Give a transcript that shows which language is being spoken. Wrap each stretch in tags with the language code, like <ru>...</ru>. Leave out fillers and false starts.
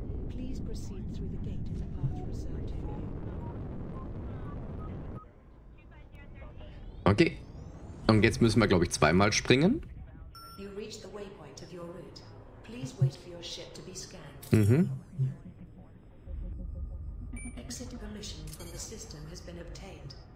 <en>Please proceed through the gate in the path reserved for you. Okay.</en> <de>Und jetzt müssen wir, glaube ich, zweimal springen.</de> <en>You reached the waypoint of your route. Please wait for your ship to be scanned. Mhm. Exit permission from the system has been obtained.</en>